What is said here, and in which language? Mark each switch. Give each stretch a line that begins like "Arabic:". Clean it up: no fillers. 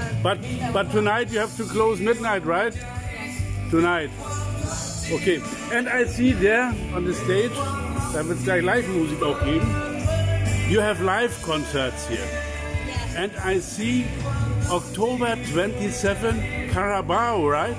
English: But tonight you have to close midnight, right? Tonight. Okay. And I see there on the stage,
German: da wird es gleich Live-Musik auch geben.
English: You have Live-Concerts here. Yes. And I see October 27, Carabao, right?